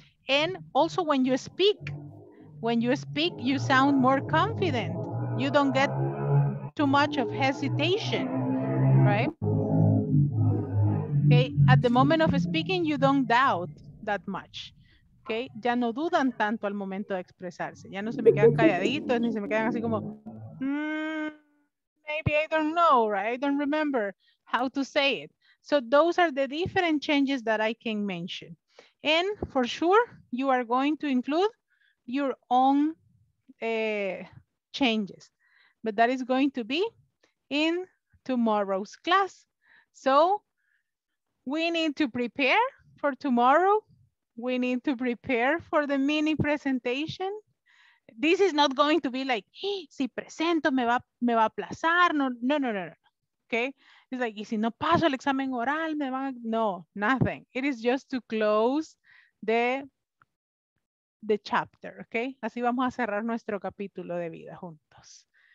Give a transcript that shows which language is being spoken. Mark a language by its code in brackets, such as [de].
[en] And also when you speak, you sound more confident. You don't get too much of hesitation, right? Okay, at the moment of speaking, you don't doubt that much. [es] Okay, ya no dudan tanto al momento de expresarse. Ya no se me quedan calladitos, ni se me quedan así como... [en] Maybe I don't know, right? I don't remember how to say it. So those are the different changes that I can mention. And for sure, you are going to include your own changes. But that is going to be in tomorrow's class. So we need to prepare for tomorrow. We need to prepare for the mini presentation. This is not going to be like, [es] si presento, me va a aplazar. [en] No. Okay? It's like, [es] y si no paso el examen oral, me va a... [en] No, nothing. It is just to close the chapter, okay? [es] Así vamos a cerrar nuestro capítulo de vida juntos.